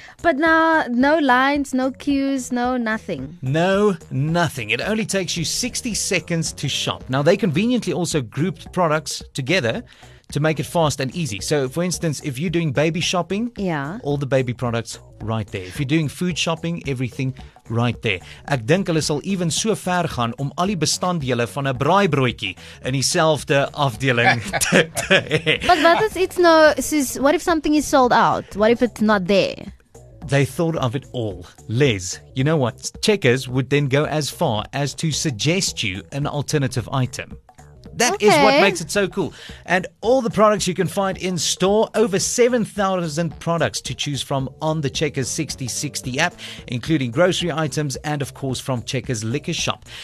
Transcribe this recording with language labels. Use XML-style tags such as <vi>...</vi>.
<en>But now, no lines, no queues, no nothing. No nothing. It only takes you 60 seconds to shop. Now, they conveniently also grouped products together to make it fast and easy. So, for instance, if you're doing baby shopping, All the baby products right there. If you're doing food shopping, everything right there.</en> <af>Ek dink hulle sal even so ver gaan om al die bestanddele van 'n braaibroodjie in dieselfde afdeling te</af> <en>But what is it's no, is what if something is sold out? What if it's not there? They thought of it all. Les, you know what? Checkers would then go as far as to suggest you an alternative item. That is what makes it so cool. And all the products you can find in store, over 7,000 products to choose from on the Checkers 60-60 app, including grocery items and, of course, from Checkers Liquor Shop.</en>